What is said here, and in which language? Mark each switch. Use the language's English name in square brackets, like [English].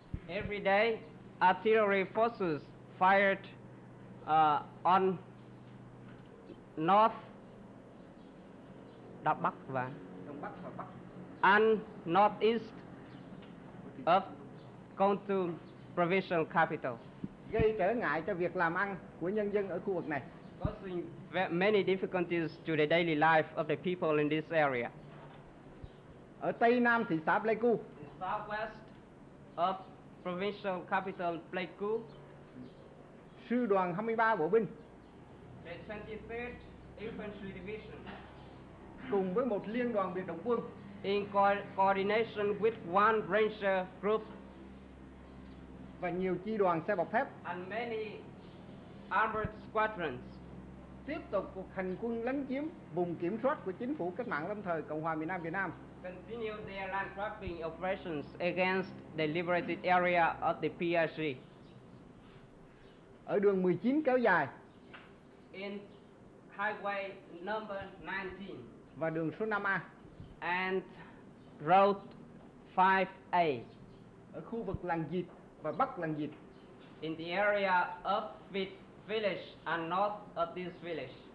[English] Every day artillery forces fired on north [Vietnamese] đắp bắc và đông bắc và bắc [English] and northeast of Kon Tum provincial capital, [Vietnamese] gây trở ngại cho việc làm ăn của nhân dân ở khu vực này, [English] causing many difficulties to the daily life of the people in this area. [Vietnamese] Ở tây nam thị xã Pleiku, [English] southwest of provincial capital Pleiku, [Vietnamese] sư đoàn 23 bộ binh, [English] the 23rd infantry division, [Vietnamese] cùng với một liên đoàn biệt động quân, [English] in coordination with one ranger group, [Vietnamese] và nhiều chi đoàn xe bọc thép, [English] and many armored squadrons, [Vietnamese] tiếp tục cuộc hành quân lấn chiếm vùng kiểm soát của chính phủ cách mạng lâm thời Cộng hòa miền Nam Việt Nam. [English] Continue their land grabbing operations against the liberated area of the PRC. [Vietnamese] Ở đường 19 kéo dài, [English] in highway number 19, [Vietnamese] và đường số 5A, [English] and road 5A, [Vietnamese] ở khu vực làng Dịp và bắc làng Dịp, [English] in the area of Vịt village and north of this village,